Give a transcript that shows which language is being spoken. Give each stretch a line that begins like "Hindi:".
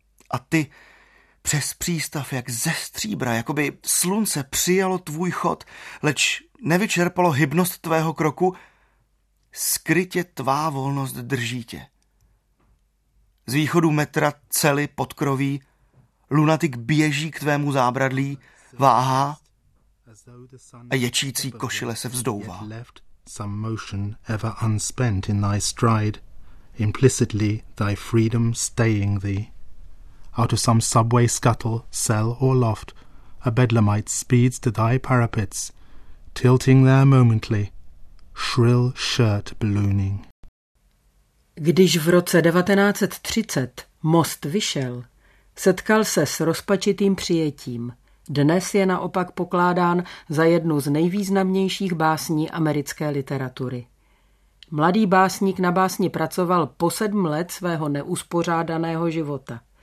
Czech: A ty, přes přístav jak ze stříbra, jakoby slunce přijalo tvůj chod, leč nevyčerpalo hybnost tvého kroku, skrytě tvá volnost drží tě. Z východu metra cely podkroví, lunatik běží k tvému zábradlí, váhá a ječící košile se vzdouvá.
English: Some motion ever unspent in thy stride, implicitly thy freedom staying thee. Out of some subway scuttle, cell or loft, a bedlamite speeds to thy parapets, tilting there momently, shrill shirt ballooning.
Czech: Když v roce 1930 most vyšel, setkal se s rozpačitým přijetím. Dnes je naopak pokládán za jednu z nejvýznamnějších básní americké literatury. Mladý básník na básni pracoval po 7 let svého neuspořádaného života.